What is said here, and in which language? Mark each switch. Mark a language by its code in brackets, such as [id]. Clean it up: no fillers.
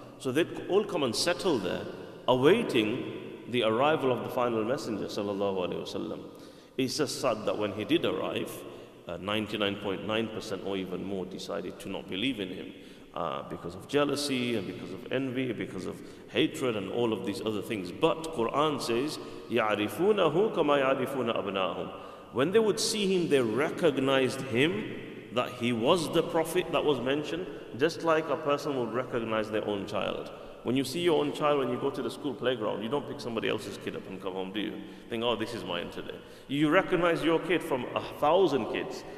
[en] So they'd all come and settle there, awaiting the arrival of the final messenger, sallallahu alaihi wasallam. It's just sad that when he did arrive, 99.9% or even more decided to not believe in him, because of jealousy and because of envy, because of hatred and all of these other things. [ar] But Quran says, يَعْرِفُونَهُ كَمَا يَعْرِفُونَ أَبْنَاهُمْ. [en] When they would see him, they recognized him, that he was the prophet that was mentioned, just like a person would recognize their own child. When you see your own child, when you go to the school playground, you don't pick somebody else's kid up and come home, do you? Think, oh, this is mine today. You recognize your kid from 1,000 kids.